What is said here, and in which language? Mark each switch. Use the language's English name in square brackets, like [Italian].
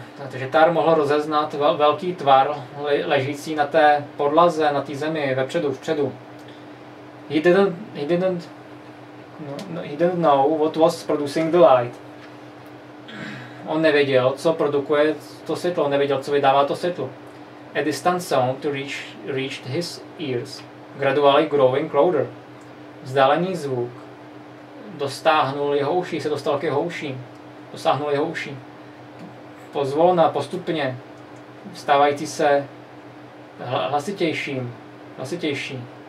[Czech] Takže Tar mohl rozeznat velký tvar ležící na té podlaze, na té zemi, vepředu, vpředu. [English] He didn't know what was producing the light. [Czech] On nevěděl, co produkuje to světlo, nevěděl, co vydává to světlo. [English] A distant sound reached his ears, gradually growing louder. [Czech] Vzdálený zvuk dostáhnul jeho uši, se dostal k jeho uším. Dosáhnul jeho uší. Pozvolna, postupně, stávající se hlasitějším, hlasitějším.